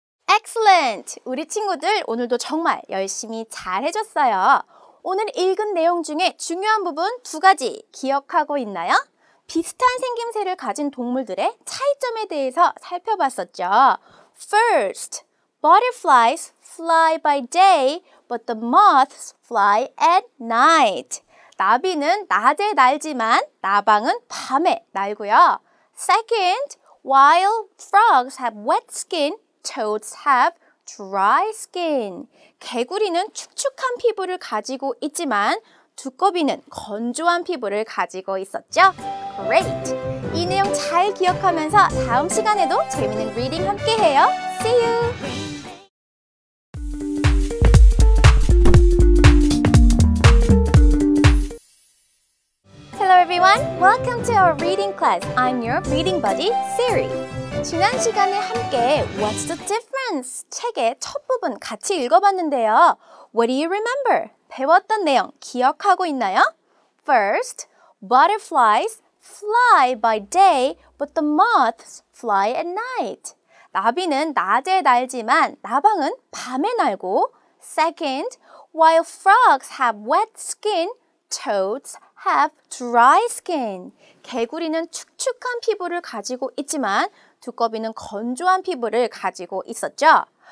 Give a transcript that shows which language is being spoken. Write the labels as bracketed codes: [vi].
[en] Excellent! [ko] 우리 친구들 오늘도 정말 열심히 잘 해줬어요. 오늘 읽은 내용 중에 중요한 부분 두 가지 기억하고 있나요? 비슷한 생김새를 가진 동물들의 차이점에 대해서 살펴봤었죠. [en] First, butterflies fly by day, but the moths fly at night. [ko] 나비는 낮에 날지만 나방은 밤에 날고요. [en] Second, while frogs have wet skin, toads have dry skin. [ko] 개구리는 축축한 피부를 가지고 있지만 두꺼비는 건조한 피부를 가지고 있었죠. [en] Great! [ko] 이 내용 잘 기억하면서 다음 시간에도 재밌는 리딩 함께해요. [en] See you! Hello everyone! Welcome to our reading class. I'm your reading buddy, Siri. [ko] 지난 시간에 함께 What's the Difference? 책의 첫 부분 같이 읽어봤는데요. [en] What do you remember? [ko] 배웠던 내용 기억하고 있나요? [en] First, butterflies fly by day, but the moths fly at night. [ko] 나비는 낮에 날지만 나방은 밤에 날고. [en] Second, while frogs have wet skin, toads have dry skin. [ko] 개구리는 축축한 피부를 가지고 있지만 두꺼비는 건조한 피부를 가지고 있었죠.